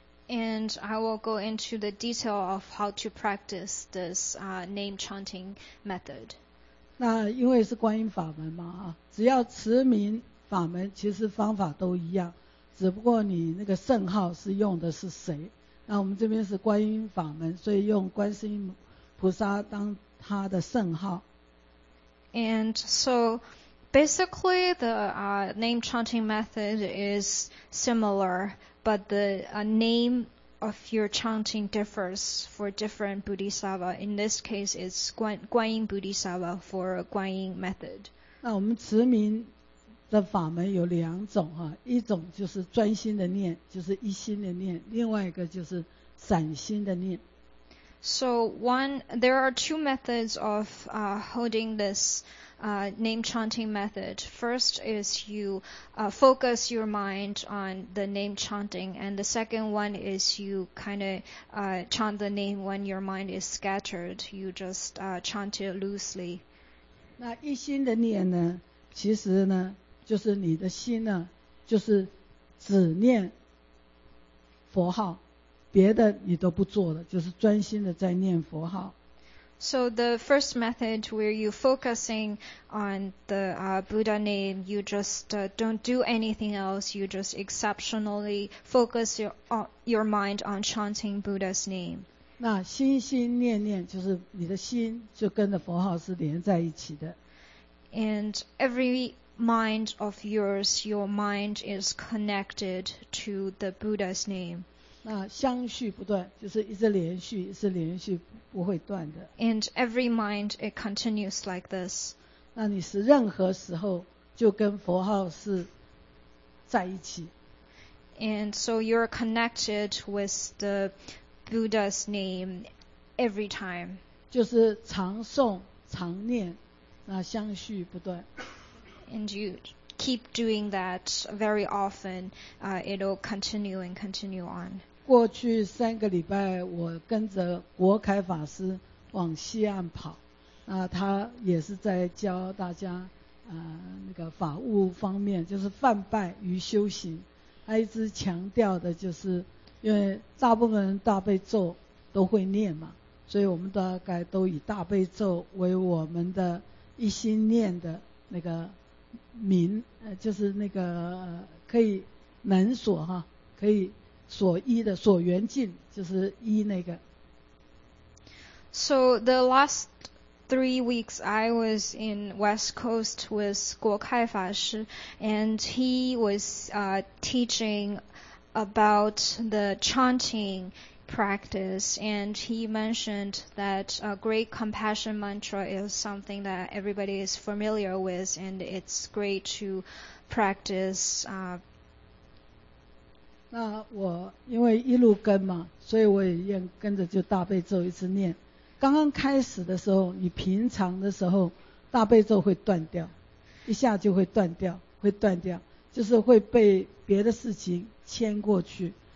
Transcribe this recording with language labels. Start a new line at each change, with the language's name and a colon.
English: And I will go into the detail of how to practice this name chanting method.
Chinese: 那因为是观音法门嘛，只要持名法门，其实方法都一样，只不过你那个圣号是用的是谁。那我们这边是观音法门，所以用观世音菩萨当他的圣号。
English: And so basically the name chanting method is similar, but the name of your chanting differs for different bodhisattva. In this case, it's Guanyin bodhisattva for Guanyin method.
Chinese: 那我们持名的法门有两种啊，一种就是专心的念，就是一心的念，另外一个就是散心的念。
English: So one, there are two methods of holding this name chanting method. First is you focus your mind on the name chanting, and the second one is you kind of chant the name when your mind is scattered. You just chant it loosely.
Chinese: 那一心的念呢，其实呢，就是你的心呢，就是只念佛号。别的你都不做了，就是专心的在念佛号。
English: So the first method where you focusing on the Buddha name, you just don't do anything else. You just exceptionally focus your mind on chanting Buddha's name.
Chinese: 那心心念念就是你的心就跟着佛号是连在一起的。
English: And every mind of yours, your mind is connected to the Buddha's name.
Chinese: 那相续不断，就是一直连续，一直连续，不会断的。
English: And every mind it continues like this.
Chinese: 那你是任何时候就跟佛号是在一起。
English: And so you're connected with the Buddha's name every time.
Chinese: 就是常诵常念，那相续不断。
English: And you keep doing that very often. It'll continue and continue on.
Chinese: 过去三个礼拜我跟着国凯法师往西岸跑，那他也是在教大家那个法务方面，就是梵拜与修行。他一直强调的就是因为大部分人大悲咒都会念嘛，所以我们大概都以大悲咒为我们的一心念的那个名，就是那个可以能所哈，可以所依的所缘境，就是依那个。
English: So the last 3 weeks I was in West Coast with 国开法师 and he was teaching about the chanting practice, and he mentioned that a great compassion mantra is something that everybody is familiar with, and it's great to practice
Chinese: 那我因为一路跟嘛，所以我也跟着就大悲咒一直念。刚刚开始的时候，你平常的时候大悲咒会断掉，一下就会断掉，会断掉，就是会被别的事情牵过去。